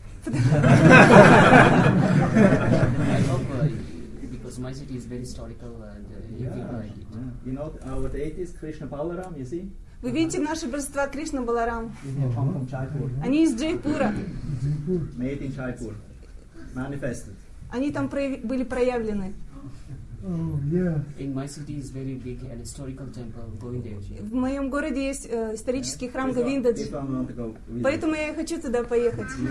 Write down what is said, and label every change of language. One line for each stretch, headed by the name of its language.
English: I hope because my city is very historical and people like it. You know our deities, Krishna Balaram, you see?
Russian: Вы видите наши божества Кришна Баларам?
English: Jaipur.
Russian: Они из Джайпура.
English: Made in Jaipur. Manifested.
Russian: Они там были проявлены.
English: In my city is very big and historical temple, Govindadji.
Russian: В моем городе есть исторический храм Говиндаджи. Поэтому я и хочу туда поехать.